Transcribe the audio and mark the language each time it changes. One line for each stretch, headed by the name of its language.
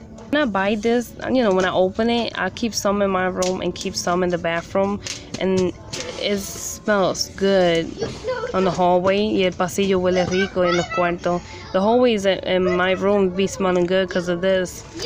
English: When I buy this, you know, when I open it, I keep some in my room and keep some in the bathroom. And it smells good on the hallway.
Spanish: Y el pasillo huele rico en los cuartos.
English: The hallway is in my room be smelling good because of this.